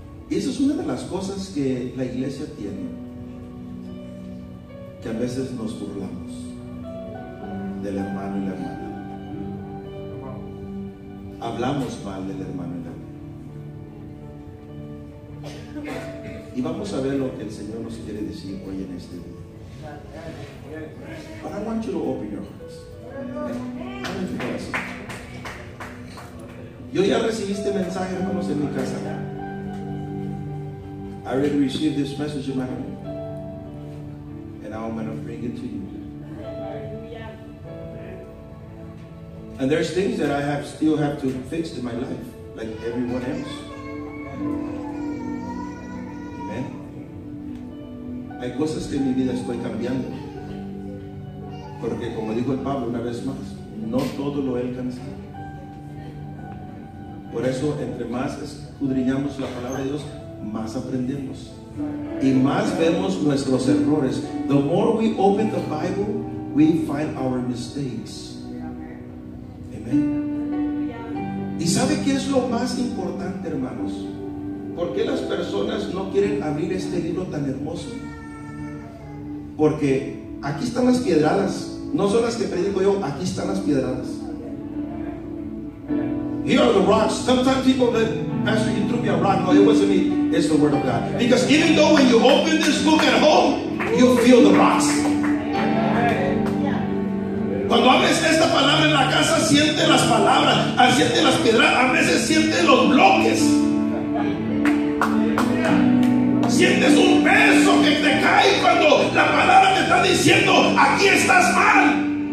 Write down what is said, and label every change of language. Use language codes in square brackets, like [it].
[es] Y esa es una de las cosas que la iglesia tiene, que a veces nos burlamos del hermano y la hermana, hablamos mal del hermano y la hermana. Y vamos a ver lo que el Señor nos quiere decir hoy en este día. [en] But I want you to open your hearts. [es] Yo ya recibí este mensaje, hermanos, en mi casa. [en] I already received this message in my home. Now I'm going to bring it to you. And there's things that I have still have to fix in my life, like everyone else. Amen. [es] Hay cosas que en mi vida estoy cambiando, porque como dijo el Pablo una vez más, no todo lo he alcanzado. Por eso, entre más escudriñamos la palabra de Dios, más aprendemos y más vemos nuestros errores. [en] The more we open the Bible, we find our mistakes. Amen. [es] ¿Y sabe qué es lo más importante, hermanos? ¿Por qué las personas no quieren abrir este libro tan hermoso? Porque aquí están las piedradas, no son las que predico yo, aquí están las piedradas. [en] Here are the rocks. Sometimes people say, Pastor, you threw me a rock. No, it wasn't me. It's the Word of God. Because even though when you open this book at home, you feel the rocks. [es] Cuando abres esta palabra en la casa, siente las palabras, siente las piedras, a veces siente los bloques. Sientes un peso que te cae cuando la palabra te está diciendo, aquí estás mal.